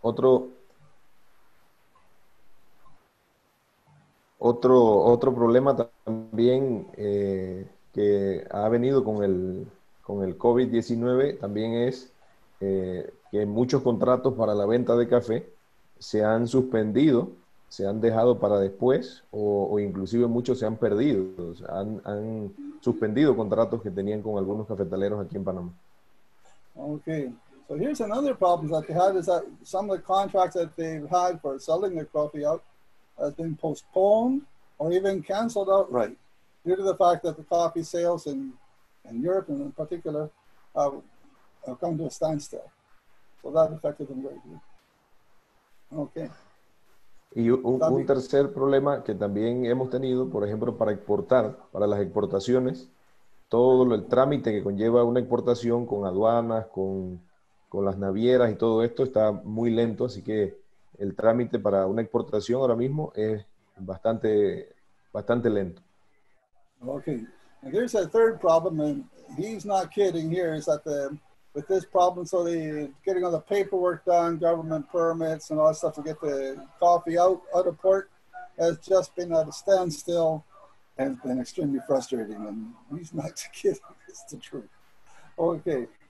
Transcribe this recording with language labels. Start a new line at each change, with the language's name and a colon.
Spanish: Otro problema también que ha venido con el COVID-19 también es que muchos contratos para la venta de café se han suspendido, se han dejado para después o inclusive muchos se han perdido, o sea, han suspendido contratos que tenían con algunos cafetaleros aquí en Panamá. Okay, Okay.
English: So here's another problem that they had, is that some of the contracts that they've had for selling the coffee out has been postponed or even canceled outright due to the fact that the coffee sales in Europe in particular have come to a standstill. So that affected them greatly. Okay.
Spanish: Y un tercer problema que también hemos tenido, por ejemplo, para exportar, para las exportaciones, todo el trámite que conlleva una exportación con aduanas, con las navieras y todo esto está muy lento, así que el trámite para una exportación ahora mismo es bastante, bastante lento.
English: Okay, and here's a third problem, and he's not kidding here, is that with this problem, so the getting all the paperwork done, government permits and all that stuff to get the coffee out of port has just been at a standstill and been extremely frustrating, and he's not kidding, it's the truth. Okay.